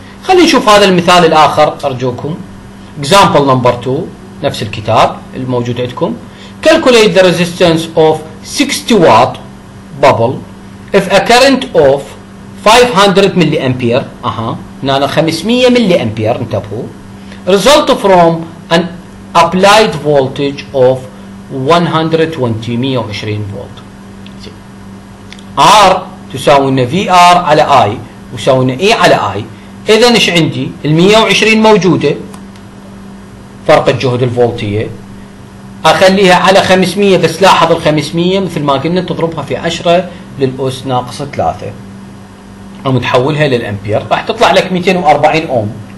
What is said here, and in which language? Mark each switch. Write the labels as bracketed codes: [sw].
[ar] خلينا نشوف هذا المثال الآخر أرجوكم. [en] Example number 2، [ar] نفس الكتاب الموجود عندكم. [en] Calculate the resistance of 60 watt bubble if a current of 500 milliampere. [ar] أها نانا 500 milliampere، انتبهوا. [en] Result from an applied voltage of 120 volt. [ar] R تساوي VR على I [en] وساوي E على I. [ar] إذا إيش عندي؟ ال 120 موجودة، فرق الجهد الفولتية، أخليها على 500، بس لاحظ ال 500 مثل ما قلنا تضربها في 10 للأس ناقص 3 أو متحولها للأمبير، راح تطلع لك 240 أوم.